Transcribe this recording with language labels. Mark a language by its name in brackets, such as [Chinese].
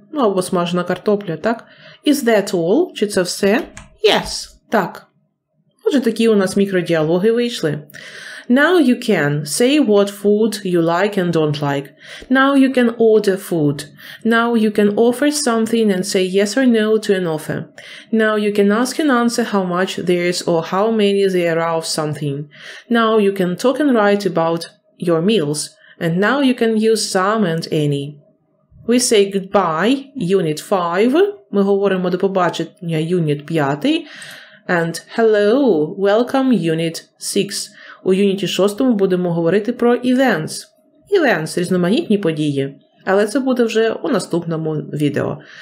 [Ukrainian] Ну, або смажена картопля, так? [English] Is that all? [Ukrainian] Чи це все? [English] Yes. [Ukrainian] Так. Отже, такі у нас мікродіалоги вийшли. [English] Now you can say what food you like and don't like. Now you can order food. Now you can offer something and say yes or no to an offer. Now you can ask and answer how much there is or how many there are of something. Now you can talk and write about your meals. And now you can use some and any. We say goodbye, unit 5. [Ukrainian] Ми говоримо до побачення, unit 5. [English] And hello, welcome, unit 6. [Ukrainian] У юніті 6 будемо говорити про events. Events – різноманітні події. Але це буде вже у наступному відео.